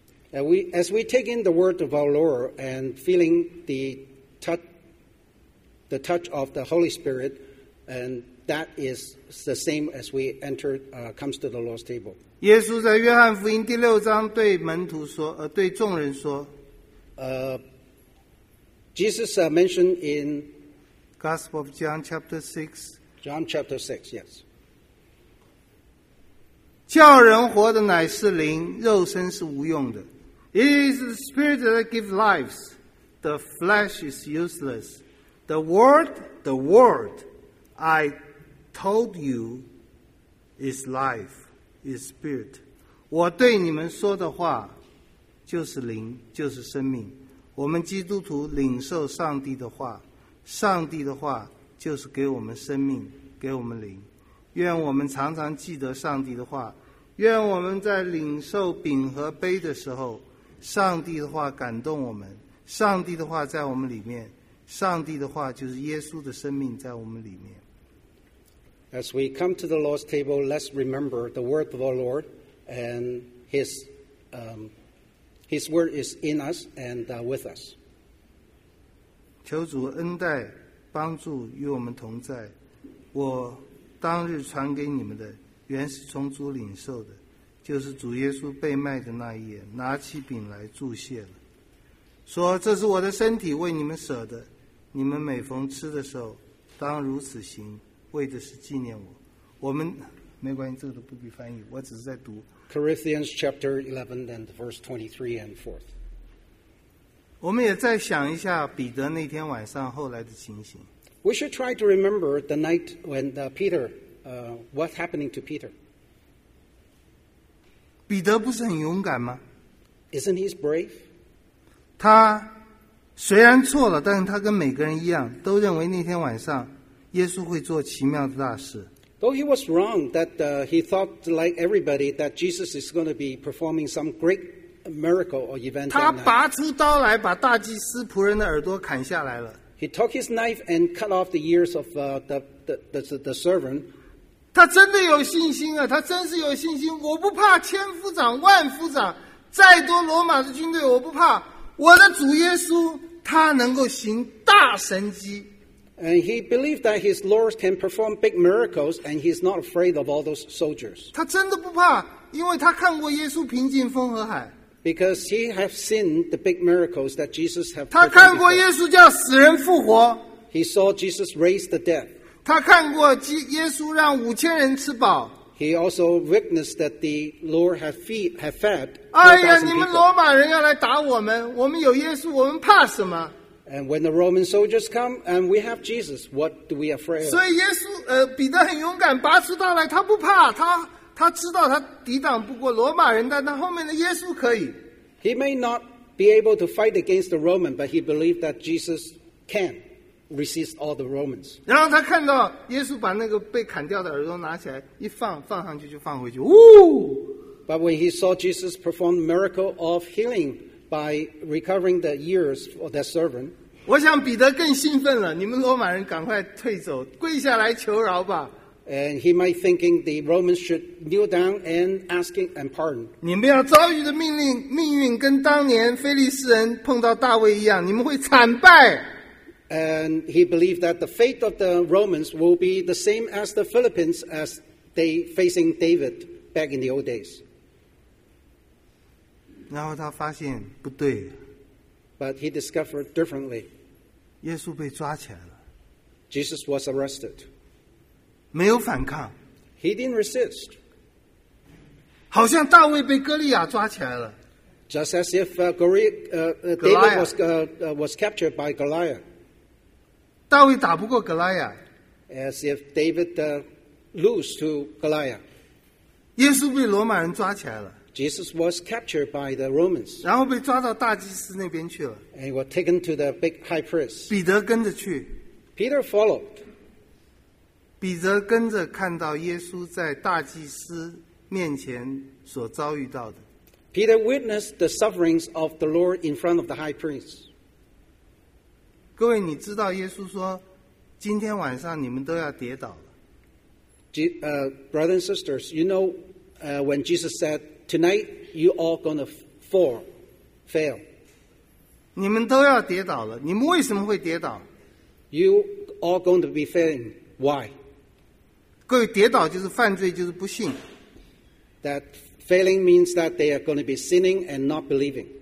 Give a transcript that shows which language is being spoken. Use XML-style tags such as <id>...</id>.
<en>And as we take in the word of our Lord and feeling the touch of the Holy Spirit, and that is the same as we enter comes to the Lord's table.</en> <zh>耶稣在约翰福音第六章对门徒说，对众人说。</zh> <en>Jesus mentioned in Gospel of John chapter 6. John chapter 6, yes.</en> <zh>叫人活的乃是灵，肉身是无用的。</zh> <en>It is the spirit that gives lives. The flesh is useless. The word, I told you is life, is spirit.</en> <zh>我对你们说的话就是灵，就是生命。我们基督徒领受上帝的话，上帝的话就是给我们生命，给我们灵。愿我们常常记得上帝的话，愿我们在领受饼和杯的时候，上帝的话感动我们，上帝的话在我们里面，上帝的话就是耶稣的生命在我们里面。</zh> <en>As we come to the Lord's table, let's remember the word of our Lord, and His word is in us and with us.</en> <zh>求主恩待，帮助与我们同在。我当日传给你们的，原是从主领受的，就是主耶稣被卖的那一夜，拿起饼来祝谢了，说：“这是我的身体，为你们舍的。你们每逢吃的时候，当如此行。” 为的是纪念我。我们没关系，这个都不必翻译，我只是在读</zh> <en>Corinthians chapter 11 and verse 23 and 4th.</en> <zh>我们也再想一下彼得那天晚上后来的情形。</zh> <en>We should try to remember the night when Peter what's happening to Peter.</en> <zh>彼得不是很勇敢吗？</zh> <en>Isn't he brave?</en> <zh>他虽然错了，但是他跟每个人一样都认为那天晚上耶稣会做奇妙的大事。</zh> <en>Though he was wrong that he thought like everybody that Jesus is going to be performing some great miracle or event.</en> <zh>他拔出刀来把大祭司仆人的耳朵砍下来了。</zh> <en>He took his knife and cut off the ears of the servant.</en> <zh>他真的有信心啊，他真是有信心，我不怕千夫长万夫长，再多罗马的军队我不怕，我的主耶稣他能够行大神迹。</zh> <en>And he believed that his Lord can perform big miracles, and he's not afraid of all those soldiers.</en> <zh>他真的不怕，因为他看过耶稣平静风和海。</zh> <en>Because he has seen the big miracles that Jesus have.</en> <zh>他看过耶稣叫死人复活。</zh> <en>He saw Jesus raise the dead.</en> <zh>他看过耶稣让五千人吃饱。</zh> <en>He also witnessed that the Lord have fed.</en> <zh>哎呀，你们罗马人要来打我们，我们有耶稣，我们怕什么？</zh> <en>And when the Roman soldiers come, and we have Jesus, what do we afraid of?</en> <zh>所以耶稣，彼得很勇敢，拔出刀来，他不怕，他知道他抵挡不过罗马人，但他后面的耶稣可以。</zh> <en>He may not be able to fight against the Roman, but he believed that Jesus can. resist all the Romans.</en> <zh>然后他看到耶稣把那个被砍掉的耳朵拿起来一放，放上去就放回去。</zh> <en>But when he saw Jesus perform the miracle of healing by recovering the ears of that servant,</en> <zh>我想彼得更兴奋了，你们罗马人赶快退走，跪下来求饶吧。</zh> <en>And he might thinking the Romans should kneel down and asking and pardon.</en> <zh>你们要遭遇的命令命运跟当年腓力斯人碰到大卫一样，你们会惨败。</zh> <en>And he believed that the fate of the Romans will be the same as the Philippines as they facing David back in the old days.</en> <zh>然后他发现不对。</zh> <en>But he discovered differently.</en> <zh>耶稣被抓起来了。</zh> <en>Jesus was arrested.</en> <zh>没有反抗。</zh> <en>He didn't resist.</en> <zh>好像大卫被哥利亚抓起来了。</zh> <en>Just as if David was captured by Goliath.</en> <zh>大卫打不过哥利亚。</zh> <en>As if David lose to Goliath.</en> <zh>耶稣被罗马人抓起来了。</zh> <en>Jesus was captured by the Romans.</en> <zh>然后被抓到大祭司那边去了。</zh> <en>And he was taken to the big high priest.</en> <zh>彼得跟着去。</zh> <en>Peter followed.</en> <zh>彼得跟着看到耶稣在大祭司面前所遭遇到的。</zh> <en>Peter witnessed the sufferings of the Lord in front of the high priest.</en> <zh>各位，你知道耶稣说，今天晚上你们都要跌倒了。</zh> <en>Brothers and sisters, you know, when Jesus said, "Tonight you all gonna fail."</en> <zh>你们都要跌倒了，你们为什么会跌倒</zh> <en>？You all going to be failing? Why?</en> <zh>各位，跌倒就是犯罪，就是不信。</zh> <en>That failing means that they are going to be sinning and not believing.</en>